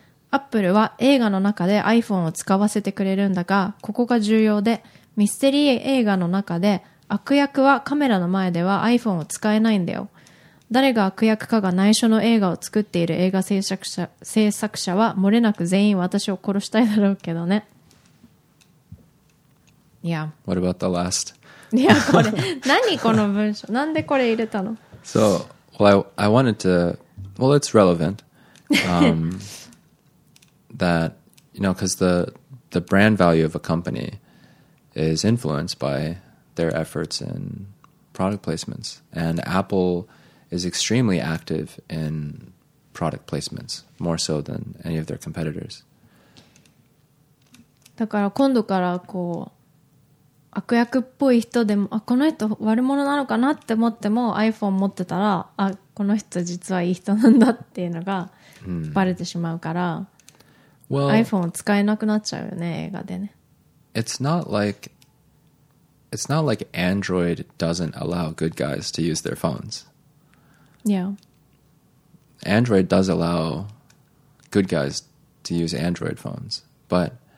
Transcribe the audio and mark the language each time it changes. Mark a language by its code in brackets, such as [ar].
[ja] Apple は映画の中で iPhone を使わせてくれるんだが、ここが重要で、ミステリー映画の中で悪役はカメラの前では iPhone を使えないんだよ。誰が悪役かが内緒の映画を作っている映画制作者は漏れなく全員私を殺したいだろうけどね。 [en] Yeah. What about the last? [ja] Yeah, これ何この文章なんでこれ入れたの。 [en] So, well, I wanted to, well, it's relevant, that, you know, because the brand value of a company is influenced by their efforts in product placements, and Apple is extremely active in product placements, more so than any of their competitors. [ja] だから今度からこう悪役っぽい人でも、あ、この人悪者なのかなって思っても iPhone 持ってたら、あ、この人実はいい人なんだっていうのがバレてしまうから、 [en] well, [ja] iPhone 使えなくなっちゃうよね、映画でね。 [en] It's not like Android doesn't allow good guys to use their phones. Yeah. Android does allow good guys to use Android phones, but